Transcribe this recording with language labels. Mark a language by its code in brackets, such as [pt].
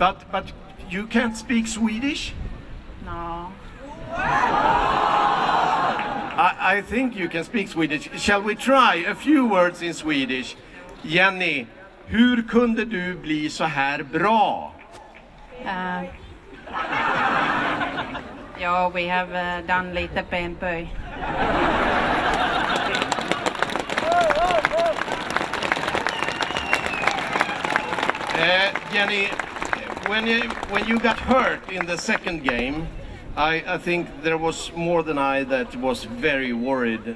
[en] But you can't speak Swedish? No. I think you can speak Swedish. Shall we try a few words in Swedish? [sv] Jenny, hur kunde du bli så här bra? [en] Yeah, we have done lite pimpy. Jenny, when you got hurt in the second game, I think there was more than I that was very worried.